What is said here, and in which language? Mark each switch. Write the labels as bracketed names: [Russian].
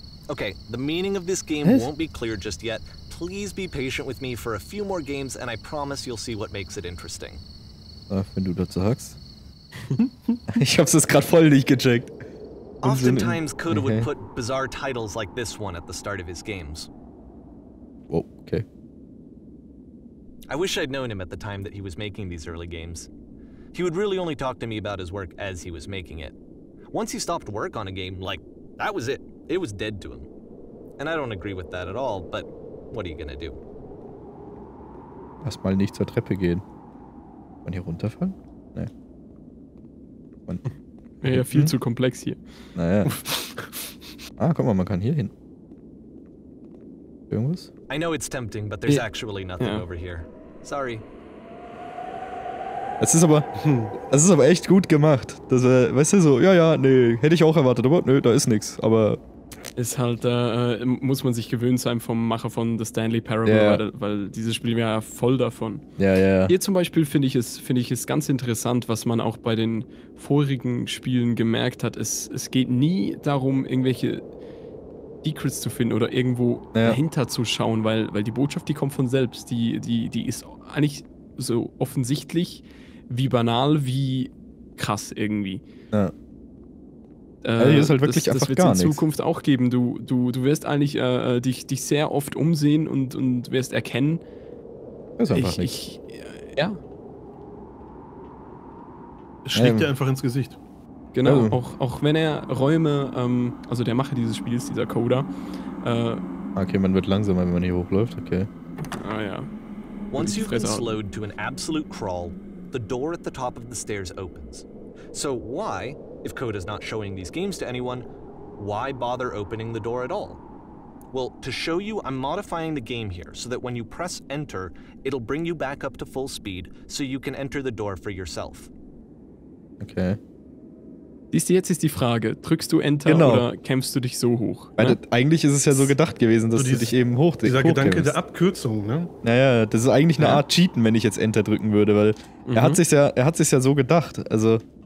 [English] Okay, the meaning of this game won't be clear just yet. Please be patient with me for a few more games and I promise you'll see what makes it interesting. [German] Ach, wenn du das sagst. Ich hab's jetzt gerade voll nicht gecheckt. [English] Oftentimes Coda would put bizarre titles like this one at the start of his games. Whoa, okay. I wish I'd known him at the time that he was making these early games. He would really only talk to me about his work as he was making it. Once he stopped work on a game, like, that was it. It was dead to him. And I don't agree with that at all, but what are you gonna do? [German] Erstmal nicht zur Treppe gehen. Und hier runterfallen? Nee. Ja, viel zu komplex hier. Naja. Ah, guck mal, man kann hier hin. Irgendwas? [English] I know it's tempting, but there's actually nothing over here. Sorry. [German] Das ist aber echt gut gemacht. Das, weißt du, so, nee, hätte ich auch erwartet, aber nö, da ist nix, aber... Ist halt, muss man sich gewöhnt sein vom Macher von The Stanley Parable, weil dieses Spiel ja voll davon. Hier zum Beispiel finde ich es ganz interessant, was man auch bei den vorigen Spielen gemerkt hat. Es geht nie darum, irgendwelche Secrets zu finden oder irgendwo dahinter zu schauen, weil die Botschaft, die kommt von selbst. Die ist eigentlich so offensichtlich wie banal, wie krass irgendwie. Ja. Also ist halt wirklich das wird es in Zukunft auch geben. Du wirst eigentlich dich sehr oft umsehen und wirst erkennen. Ist einfach Es schlägt dir einfach ins Gesicht. Genau, auch wenn er Räume, also der Macher dieses Spiels, dieser Coder. Okay, man wird langsamer, wenn man hier hochläuft, okay. Ah ja. [English] Once you've been slowed to an absolute crawl, the door at the top of the stairs opens. So why? If Coda's not showing these games to anyone, why bother opening the door at all? Well, to show you, I'm modifying the game here so that when you press enter, it'll bring you back up to full speed so you can enter the door for yourself. Okay. [German] Siehst du, jetzt ist die Frage, drückst du enter oder kämpfst du dich so hoch? Weil eigentlich ist es ja so gedacht gewesen, dass du dich eben hochdrückst. Dieser Gedanke der Abkürzung, ne? Naja, das ist eigentlich eine Art Cheaten, wenn ich jetzt enter drücken würde, weil er hat sich's ja so gedacht, also...